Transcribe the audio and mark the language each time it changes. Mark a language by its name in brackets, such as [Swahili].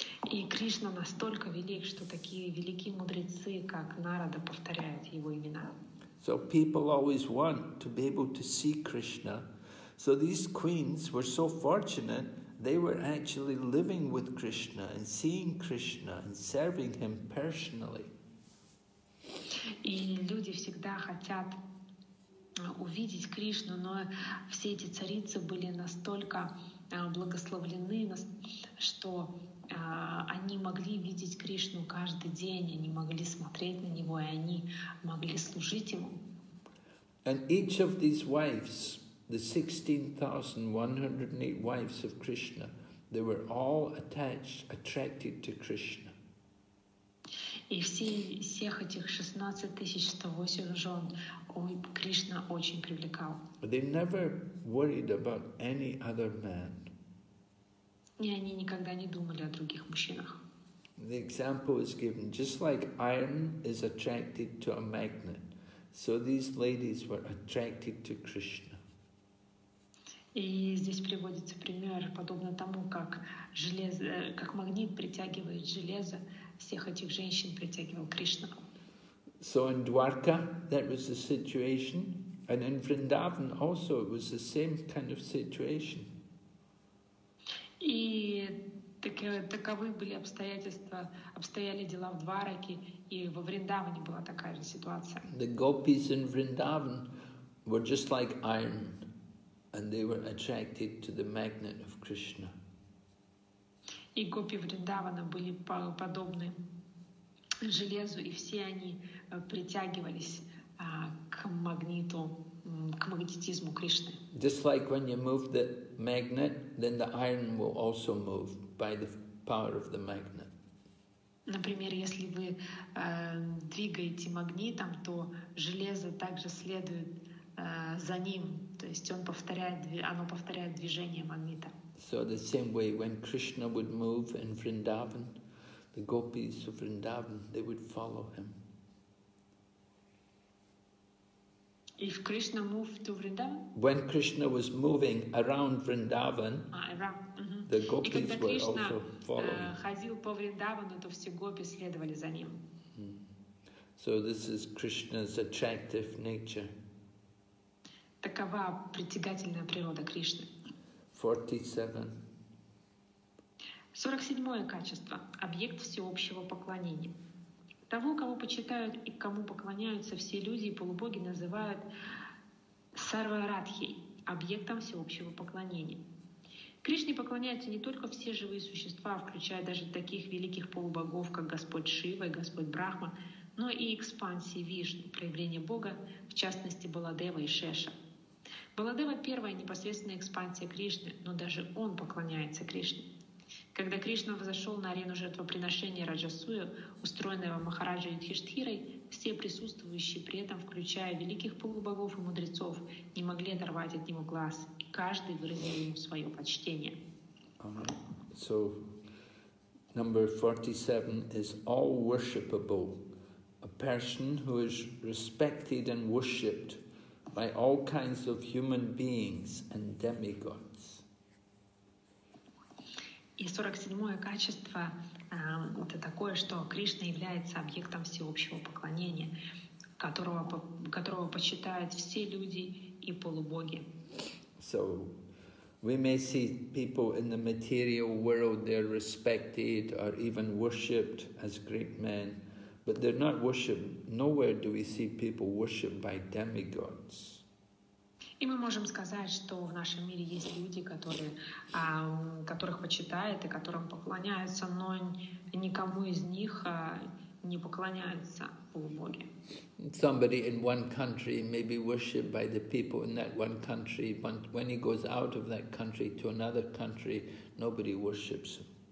[Russian] И Кришна настолько велик, что такие великие мудрецы, как Нарада, повторяют его имена. [English] So people always want to be able to see Krishna. So these queens were so fortunate, they were actually living with Krishna and seeing Krishna and serving him personally. [Russian] И люди всегда хотят увидеть Кришну, но все эти царицы были настолько благословлены, что они могли видеть Кришну каждый день, они могли смотреть на него, и они могли служить ему. [English] And each of these wives, the 16,108 wives of Krishna, they were all attracted to Krishna. [Russian] И всех этих 16,108 жен Кришна очень привлекал. [English] They never worried about any other man. [Russian] И они никогда не думали о других мужчинах. [English] The example is given, just like iron is attracted to a magnet, so these ladies were attracted to Krishna. [Russian] И здесь приводится пример, подобно тому, как железо, как магнит притягивает железо, всех этих женщин притягивал Кришна. [English] So in Dwarka, that was the situation, and in Vrindavan also, it was the same kind of situation. [Russian] И Таковы были обстоятельства, обстояли дела в Двараке, и во Вриндаване была такая же ситуация. [English] The gopis in Vrindavan were just like iron, and they were attracted to the magnet of Krishna. [Russian] И гопи Вриндавана были подобны железу, и все они притягивались к магниту, к магнетизму Кришны. [English] Just like when you move the magnet, then the iron will also move by the power of the magnet. [Russian] Например, если вы двигаете магнитом, то железо также следует за ним, то есть оно повторяет движение магнита. [English] So the same way when Krishna would move in Vrindavan, the gopis of Vrindavan, they would follow him. If Krishna moved to Vrindavan? When Krishna was moving around Vrindavan, the gopis were also following. [Russian] Ходил по Вриндавану, то все гопи следовали за ним. [English] So this is Krishna's attractive nature. [Russian] Такова притягательная природа Кришны. 47. 47-е качество. Объект всеобщего поклонения. Того, кого почитают и кому поклоняются все люди и полубоги, называют Сарварадхи, объектом всеобщего поклонения. Кришне поклоняются не только все живые существа, включая даже таких великих полубогов, как Господь Шива и Господь Брахма, но и экспансии Вишну, проявление Бога, в частности Баладева и Шеша. Баладева — первая непосредственная экспансия Кришны, но даже он поклоняется Кришне. Когда Кришна взошел на арену жертвоприношения Раджасую, устроенного Махараджа Юдхиштхирой, все присутствующие при этом, включая великих полубогов и мудрецов, не могли оторвать от него глаз, и каждый выразил ему свое почтение. [English] So, number 47 is all worshipable, a person who is respected and worshipped by all kinds of human beings and demigods. [Russian] И 47-е качество это такое, что Кришна является объектом всеобщего поклонения, которого почитают все люди и полубоги. [English] So, we may see people in the material world, they're respected or even worshipped as great men, but they're not worshipped. Nowhere do we see people worshipped by demigods. [Russian] И мы можем сказать, что в нашем мире есть люди, которые, которых почитают и которым поклоняются, но никому из них не поклоняются полубоги. [English] Somebody in one country may be worshipped by the people in that one country, but when he goes out of that country to another country, nobody worships him.